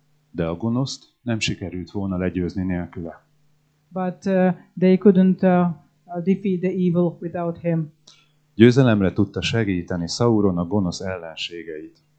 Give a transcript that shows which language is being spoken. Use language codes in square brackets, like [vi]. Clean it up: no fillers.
[hu] De a gonoszt nem sikerült volna legyőzni nélküle. [en] But they couldn't defeat the evil without him. [hu] Győzelemre tudta segíteni Sauron a gonosz ellenségeit.